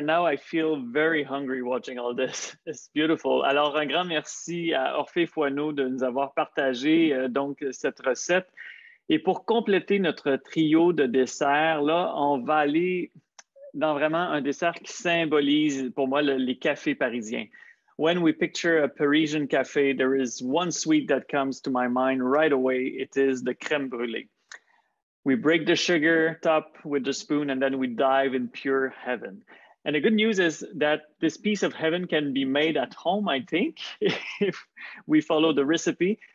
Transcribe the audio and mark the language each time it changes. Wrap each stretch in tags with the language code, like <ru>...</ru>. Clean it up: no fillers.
<en>Now I feel very hungry watching all this. It's beautiful.</en> <fr>Alors, un grand merci à Orphée Fouano de nous avoir partagé donc cette recette. Et pour compléter notre trio de desserts, là, on va aller dans vraiment un dessert qui symbolise pour moi les cafés parisiens.</fr> <en>When we picture a Parisian cafe, there is one sweet that comes to my mind right away. It is the crème brûlée. We break the sugar top with the spoon and then we dive in pure heaven. And the good news is that this piece of heaven can be made at home, I think, if we follow the recipe.</en>